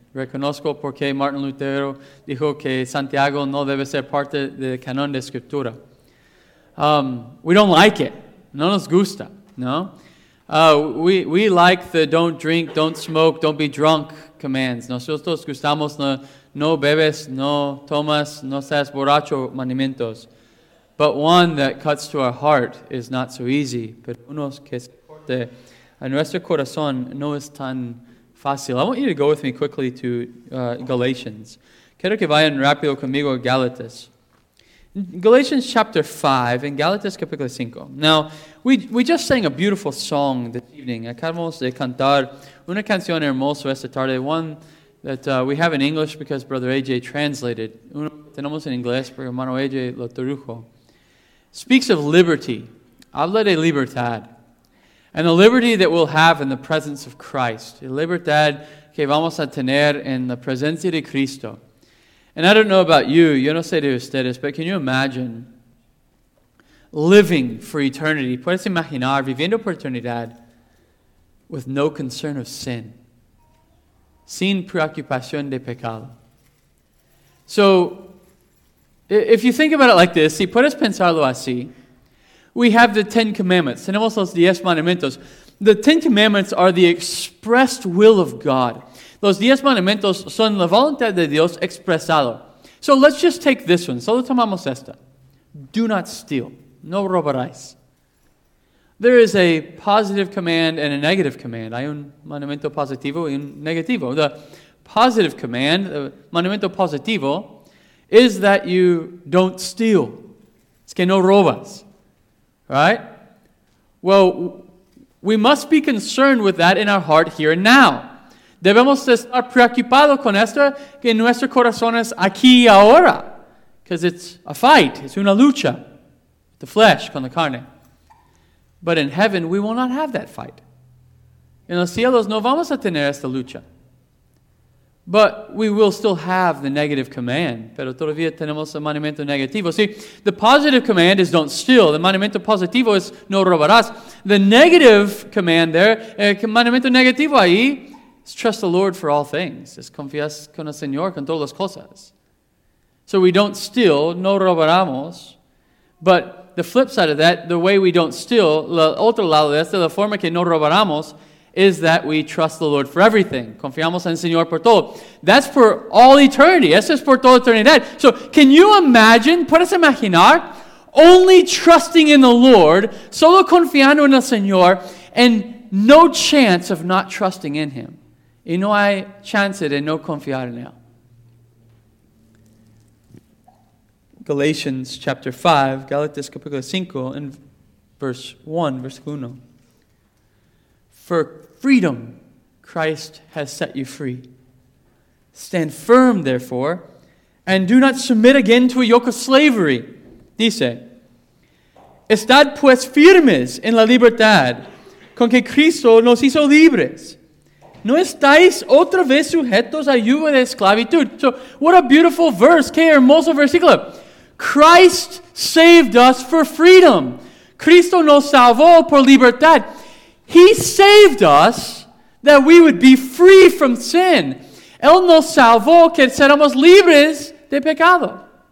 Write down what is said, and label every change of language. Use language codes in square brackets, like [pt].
[es] Reconozco por qué Martin Lutero dijo que Santiago no debe ser parte del canon de Escritura. [en] We don't like it. [es] No nos gusta, no? [en] We like the don't drink, don't smoke, don't be drunk commands. [es] Nosotros gustamos no bebes, no tomas, no seas borracho mandamientos. [en] But one that cuts to our heart is not so easy. [es] Pero uno que se corte a nuestro corazón no es tan fácil. [en] I want you to go with me quickly to Galatians. [es] Quiero que vayan rápido conmigo a Galatas. [en] Galatians chapter 5 and [es] Galatas capítulo 5. [en] Now, we just sang a beautiful song this evening. [es] Acabamos de cantar una canción hermosa esta tarde, [en] one that we have in English because Brother AJ translated. [es] Uno tenemos en inglés porque hermano AJ lo tradujo. [en] Speaks of liberty. [es] Habla de libertad. [en] And the liberty that we'll have in the presence of Christ. [es] La libertad que vamos a tener en la presencia de Cristo. [en] And I don't know about you, [es] yo no sé de ustedes, [en] but can you imagine living for eternity? [es] ¿Puedes imaginar viviendo por eternidad [en] with no concern of sin? [es] Sin preocupación de pecado. [en] So, if you think about it like this, [es] si puedes pensarlo así, [en] we have the Ten Commandments. [es] Tenemos los diez mandamientos. [en] The Ten Commandments are the expressed will of God. [es] Los diez mandamientos son la voluntad de Dios expresado. [en] So let's just take this one. [es] Solo tomamos esta. [en] Do not steal. [es] No robarás. [en] There is a positive command and a negative command. [es] Hay un mandamiento positivo y un negativo. [en] The positive command, the [es] mandamiento positivo, [en] is that you don't steal. [es] Es que no robas. [en] Right? Well, we must be concerned with that in our heart here and now. [es] Debemos estar preocupados con esto en nuestros corazones aquí y ahora. [en] Because it's a fight. It's [es] una lucha. [en] The flesh [es] con la carne. [en] But in heaven, we will not have that fight. [es] En los cielos no vamos a tener esta lucha. [en] But we will still have the negative command. [es] Pero todavía tenemos el mandamiento negativo. [en] See, the positive command is don't steal. The [es] mandamiento positivo [en] is [es] no robarás. [en] The negative command there, [es] el mandamiento negativo ahí, [en] it's trust the Lord for all things. [es] Es confiar con el Señor con todas las cosas. [en] So we don't steal, [es] no robaramos. [en] But the flip side of that, the way we don't steal, [es] la otra lado de esto, la forma que no robaramos, [en] is that we trust the Lord for everything. [es] Confiamos en el Señor por todo. [en] That's for all eternity. [es] Eso es por toda eternidad. [en] So, can you imagine, [es] puedes imaginar, [en] only trusting in the Lord, [es] solo confiando en el Señor, [en] and no chance of not trusting in Him. [es] Y no hay chance de no confiar en Él. [en] Galatians chapter 5, Galatians capítulo 5, and verse 1. For freedom, Christ has set you free. Stand firm, therefore, and do not submit again to a yoke of slavery. [es] Dice, estad pues firmes en la libertad con que Cristo nos hizo libres. No estáis otra vez sujetos a yugo de esclavitud. [en] So, what a beautiful verse. [es] Qué hermoso versículo. [en] Christ saved us for freedom. [es] Cristo nos salvó por libertad. [en] He saved us that we would be free from sin. [es] Él nos salvó que seramos libres de pecado.